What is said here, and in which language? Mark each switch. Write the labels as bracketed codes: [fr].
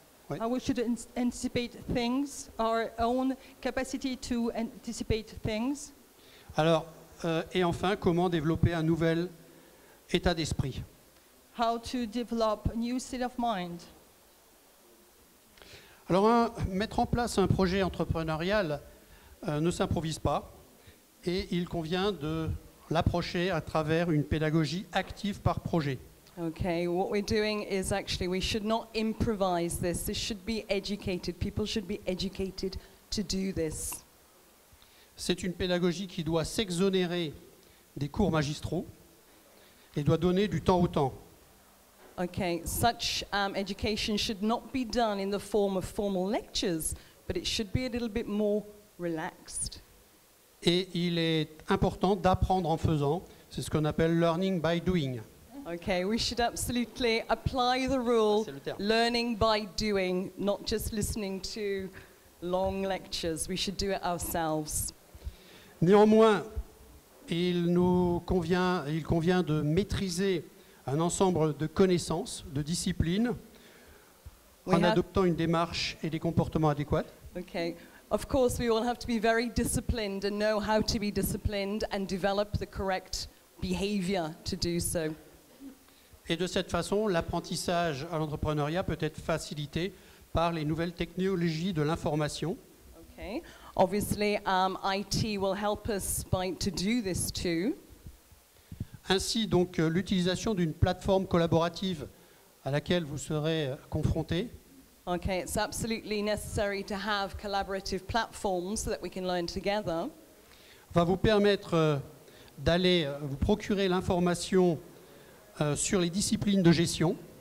[en] How we should anticipate things, our own capacity to anticipate things. [fr] Alors, et enfin, comment développer un nouvel état d'esprit. [en] How to develop a new state of mind. [fr] Alors, mettre en place un projet entrepreneurial ne s'improvise pas et il convient de l'approcher à travers une pédagogie active par projet. [en] Okay, what we're doing is actually, we should not improvise this. This should be educated. People should be educated to do this. [fr] C'est une pédagogie qui doit s'exonérer des cours magistraux. Il doit donner du temps au temps. [en] Okay, such education should not be done in the form of formal lectures, but it should be a little bit more relaxed. [fr] Et il est important d'apprendre en faisant. C'est ce qu'on appelle [en] learning by doing. Okay, we should absolutely apply the rule learning by doing, not just listening to long lectures. We should do it ourselves. [fr] Néanmoins, Il convient de maîtriser un ensemble de connaissances, de disciplines, en adoptant une démarche et des comportements adéquats. [en] Okay. Of course, we all have to be very disciplined and know how to be disciplined and develop the correct behavior to do so. [fr] Et de cette façon, l'apprentissage à l'entrepreneuriat peut être facilité par les nouvelles technologies de l'information. [en] Okay. Obviously, IT will help us to do this too. [fr] Ainsi, donc, l'utilisation d'une plateforme collaborative à laquelle vous serez confronté. [en] Okay, it's absolutely necessary to have collaborative platforms so that we can learn together. [fr] Va vous permettre d'aller vous procurer l'information sur les disciplines de gestion.